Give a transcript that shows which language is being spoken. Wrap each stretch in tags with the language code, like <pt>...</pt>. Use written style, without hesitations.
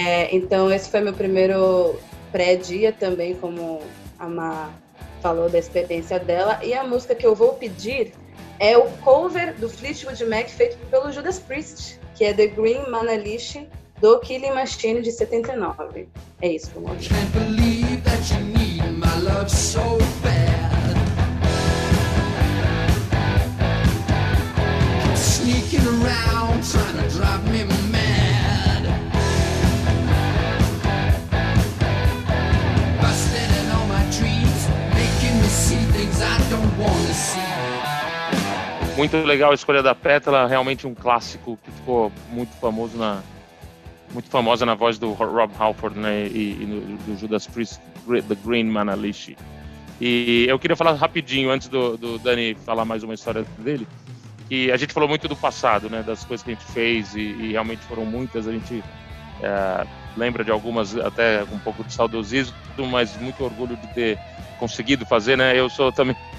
<pt>Então esse foi meu primeiro pré-dia também, como a Má falou da experiência dela, e a música que eu vou pedir é o cover do Fleetwood Mac feito pelo Judas Priest, que é The Green Manalish do Killing Machine de 79. É isso, vamos ouvir.</pt> <en>Can't believe that you need my love so bad. Sneaking around trying to drive me mad. Busted in all my dreams, making me see things I don't want to see.</en> <pt>Muito legal a escolha da Pétala, realmente um clássico que ficou muito famoso na muito famosa na voz do Rob Halford, né, e do Judas Priest, The Green Manalish. E eu queria falar rapidinho, antes do Dani falar mais uma história dele, que a gente falou muito do passado, né, das coisas que a gente fez, e realmente foram muitas, a gente lembra de algumas até com um pouco de saudosismo, mas muito orgulho de ter conseguido fazer, né. Eu sou também...</pt>